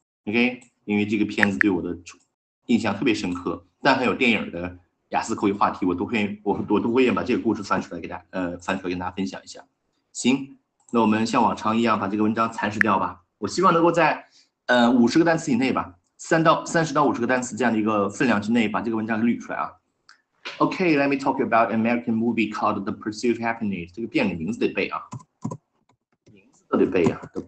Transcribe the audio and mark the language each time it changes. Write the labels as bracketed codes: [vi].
[zh] OK, 因为这个片子对我的印象特别深刻，但很有电影的雅思口语话题，我都会把这个故事翻出来跟大家分享一下。行，那我们像往常一样把这个文章蚕食掉吧。我希望能够在50个单词以内吧，30到50个单词这样的一个分量之内把这个文章给捋出来啊。 [en] Okay, let me talk about an American movie called The Pursuit of Happiness. [zh] 这个电影名字得背啊，名字都得背啊。